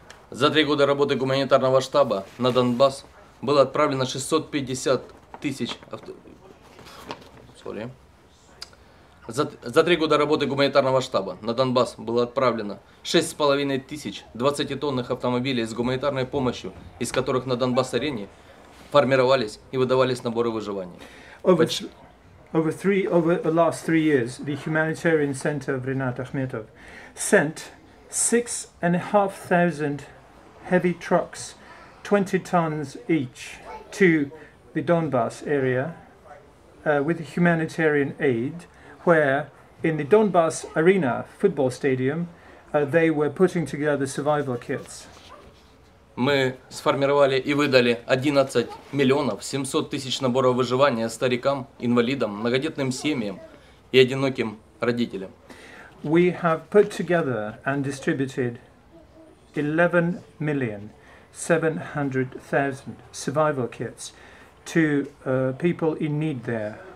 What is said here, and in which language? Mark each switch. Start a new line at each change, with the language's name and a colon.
Ukrainian: За 3 роки роботи гуманітарного штабу на Донбас було відправлено 650 тисяч20-тонних автомобілів з гуманітарною допомогою, із яких на Донбас-арені
Russian: формировались и выдавались наборы выживания.
English: Over the last three years, the humanitarian center of Rinat Akhmetov sent 6,500 heavy trucks, 20 tons each, to the Donbass area with humanitarian aid, where in the Donbass arena football stadium they were putting together survival kits.
Russian: Мы сформировали и выдали 11,700,000 наборов выживания старикам, инвалидам, многодетным семьям и одиноким родителям.
English: We have put together and distributed 11,700,000 survival kits to people in need there.